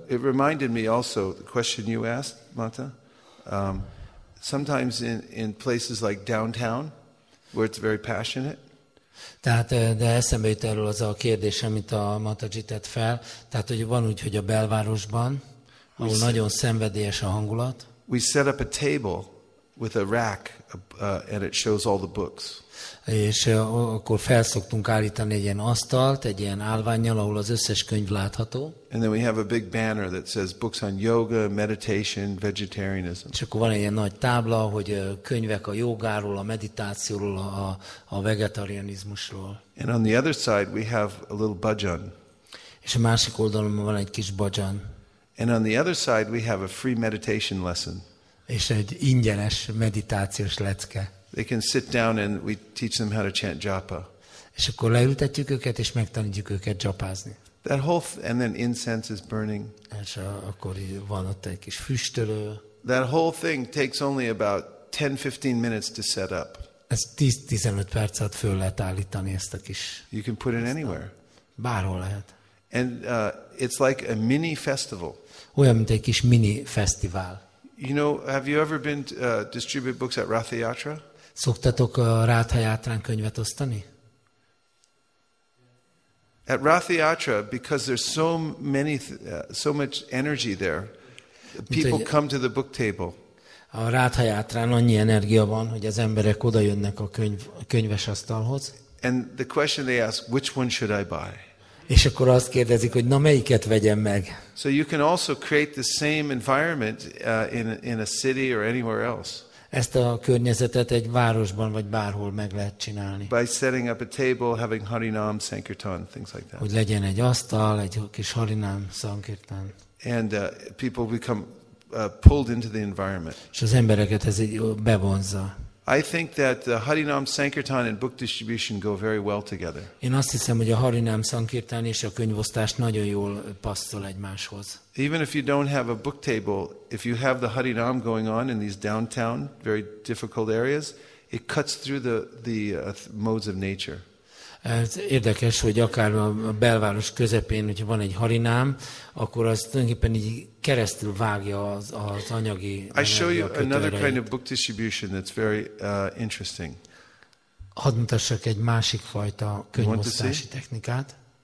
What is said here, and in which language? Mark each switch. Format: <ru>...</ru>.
<en>It reminded me also the question you asked, Mata. Sometimes in places like downtown, where it's very passionate.</en> <hu>Tehát de eszembe jut erről az a kérdés, amit a Mataji tett fel. Tehát hogy van úgy, hogy a belvárosban, ahol nagyon szenvedélyes a hangulat.</hu> <en>We set up a table with a rack, and it shows all the books.</en> <hu>És akkor felszoktunk állítani egy ilyen asztalt, egy ilyen állvánnyal, ahol az összes könyv látható.</hu> <en>And then we have a big banner that says books on yoga, meditation, vegetarianism.</en> <hu>És akkor van egy ilyen nagy tábla, hogy könyvek a jogáról, a meditációról, a vegetarianizmusról.</hu> <en>And on the other side we have a little bhajan.</en> <hu>És a másik oldalon van egy kis bhajan.</hu> <en>And on the other side we have a free meditation lesson.</en> <hu>És egy ingyenes meditációs lecke.</hu> <en>They can sit down and we teach them how to chant japa.</en> <hu>És akkor leültetjük őket és megtanítjuk őket japázni.</hu> <en>That whole and then incense is burning.</en> <hu>És akkor van ott egy kis füstölő.</hu> <en>That whole thing takes only about 10-15 minutes to set up.</en> <hu>Ez 10-15 perc alatt föl lehet állítani ezt a kis.</hu> <en>You can put it anywhere.</en> <hu>Bárhol lehet.</hu> <en>And it's like a mini festival.</en> <hu>Olyan, mint egy kis mini fesztivál.</hu> <en>You know, have you ever been to distribute books at Ratha Yatra?</en> <hu>Szoktatok Ratha Yatrán könyvet osztani?</hu> <en>At Ratha Yatra, because there's so many, so much energy there, people come to the book table.</en> <hu>A Ratha Yatrán annyi energia van, hogy az emberek oda jönnek a könyves asztalhoz.</hu> <en>And the question they ask, which one should I buy?</en> <hu>És akkor azt kérdezik, hogy na melyiket vegyem meg.</hu> <en>So you can also create the same environment in a city or anywhere else.</en> <hu>Ezt a környezetet egy városban vagy bárhol meg lehet csinálni.</hu> <en>By setting up a table, having harinam, sankirtan, things like that.</en> <hu>Hogy legyen egy asztal, egy kis harinam, sankirtan.</hu> <en>And people become pulled into the environment.</en> <hu>És az embereket ez így bevonza.</hu> <en>I think that the Harinam Sankirtan and book distribution go very well together.</en> <hu>Én azt hiszem, hogy a Harinam Sankirtan és a könyvosztás nagyon jól passzol egymáshoz.</hu> <en>Even if you don't have a book table, if you have the Harinam going on in these downtown, very difficult areas, it cuts through the modes of nature.</en> <hu>Ez érdekes, hogy akár a belváros közepén, hogyha van egy harinám, akkor az tulajdonképpen így keresztül vágja az anyagi kötőreit.</hu> <en>I show you another kind of book distribution that's very interesting.</en> <hu>Hadd mutassak egy másik fajta könyvosztási technikát.</hu>